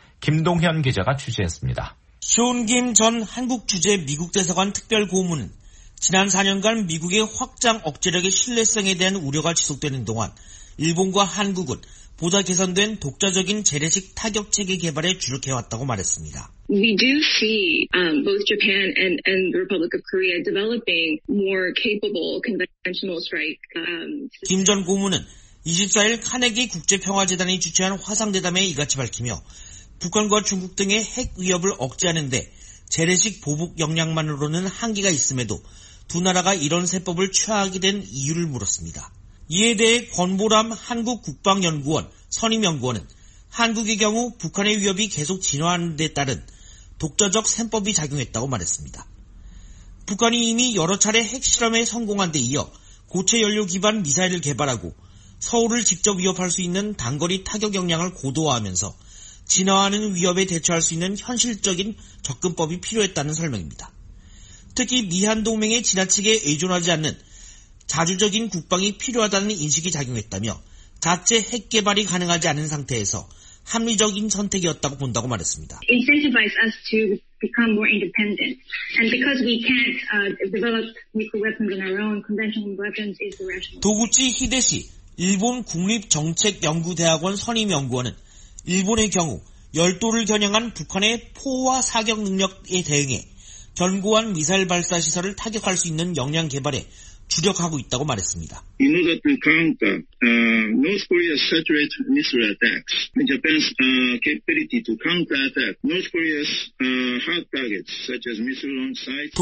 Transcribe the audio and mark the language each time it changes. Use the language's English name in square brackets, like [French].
[Korean] 김동현 기자가 취재했습니다. 쇼운 김 전 한국 주재 미국 대사관 특별 고문은 지난 4년간 미국의 확장 억제력의 신뢰성에 대한 우려가 지속되는 동안 일본과 한국은 보다 개선된 독자적인 재래식 타격 체계 개발에 주력해왔다고 말했습니다. [English] We do see both Japan and the Republic of Korea developing more capable conventional strike. [Korean] 김 전 고문은 24일 카네기 국제평화재단이 주최한 화상대담에 이같이 밝히며 북한과 중국 등의 핵 위협을 억제하는데 재래식 보복 역량만으로는 한계가 있음에도 두 나라가 이런 세법을 취하게 된 이유를 물었습니다. 이에 대해 권보람 한국국방연구원 선임연구원은 한국의 경우 북한의 위협이 계속 진화하는 데 따른 독자적 셈법이 작용했다고 말했습니다. 북한이 이미 여러 차례 핵실험에 성공한 데 이어 고체 연료 기반 미사일을 개발하고 서울을 직접 위협할 수 있는 단거리 타격 역량을 고도화하면서 진화하는 위협에 대처할 수 있는 현실적인 접근법이 필요했다는 설명입니다. 특히 미한동맹에 지나치게 의존하지 않는 자주적인 국방이 필요하다는 인식이 작용했다며 자체 핵 개발이 가능하지 않은 상태에서 합리적인 선택이었다고 본다고 말했습니다. [English] Incentivize us to become more independent. And because we can't develop nuclear weapons on our own, conventional weapons is the rational. [Korean] 도구치 히데시 일본 국립정책연구대학원 선임연구원은 일본의 경우 열도를 겨냥한 북한의 포와 사격 능력에 대응해 견고한 미사일 발사 시설을 타격할 수 있는 역량 개발에 주력하고 있다고 말했습니다. [English] In order to counter North Korea's saturated missile attacks, Japan's capability to counterattack North Korea's hard targets such as missile launch sites.